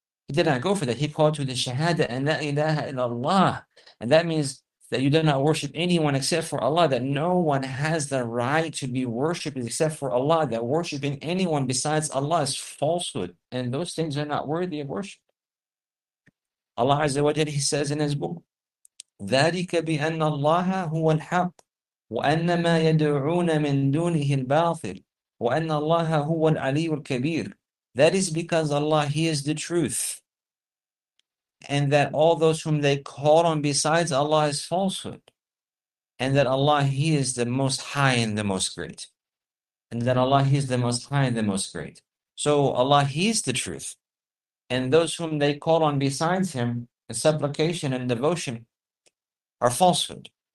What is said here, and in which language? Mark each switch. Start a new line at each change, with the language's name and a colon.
English: He did not go for that. He called to the shahada and la ilaha illallah. And that means that you do not worship anyone except for Allah, that no one has the right to be worshipped except for Allah, that worshiping anyone besides Allah is falsehood. And those things are not worthy of worship. Allah azza wa jalla, he says in his book,
Arabic: ذَلِكَ بِأَنَّ اللَّهَ هُوَ الْحَقِّ وَأَنَّ مَا يَدْعُونَ مِن دُونِهِ الْبَاطِلِ وَأَنَّ اللَّهَ هُوَ الْعَلِيُّ الْكَبِيرُ.
English: That is because Allah, He is the truth. And that all those whom they call on besides Allah is falsehood. And that Allah, He is the most high and the most great. And that Allah, He is the most high and the most great. So Allah, He is the truth. And those whom they call on besides Him, in supplication and devotion, are falsehood.